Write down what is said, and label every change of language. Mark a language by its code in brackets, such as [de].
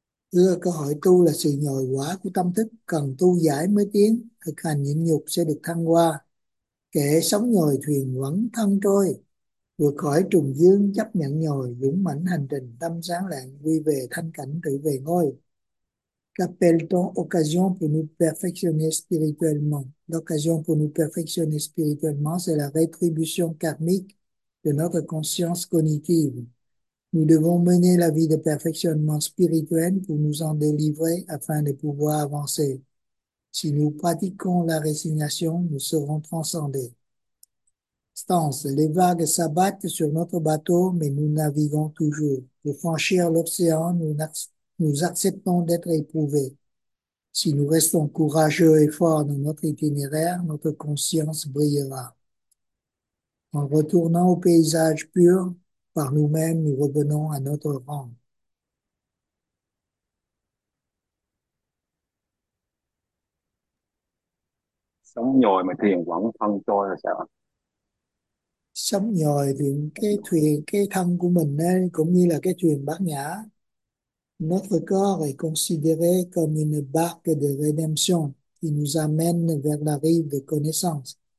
[vi] Là cơ hội tu là sự nhồi quá của tâm thức, cần tu giải mới tiến, thực hành nhịn nhục sẽ được thăng hoa. Kẻ sống nhồi thuyền vẫn thân trôi, vượt khỏi trùng dương chấp nhận nhồi, dũng mãnh hành trình tâm sáng lạng, quy về thanh cảnh tự về ngôi. [fr] Qu'appelle-t-on occasion pour nous perfectionner spirituellement? L'occasion pour nous perfectionner spirituellement, c'est la rétribution karmique de notre conscience cognitive. Nous devons mener la vie de perfectionnement spirituel pour nous en délivrer afin de pouvoir avancer. Si nous pratiquons la résignation, nous serons transcendés. Stance, les vagues s'abattent sur notre bateau, mais nous naviguons toujours. Pour franchir l'océan, nous acceptons d'être éprouvés. Si nous restons courageux et forts dans notre itinéraire, notre conscience brillera. En retournant au paysage pur, par nous-mêmes, nous revenons à notre rang. [vi] Sóng nhồi mà thuyền vẫn phân trôi là sao? Sóng nhồi thì cái thuyền, cái thân của mình ấy, cũng như là cái thuyền Bát Nhã. [fr] Notre corps est considéré comme une barque de rédemption qui nous amène vers la rive de connaissance.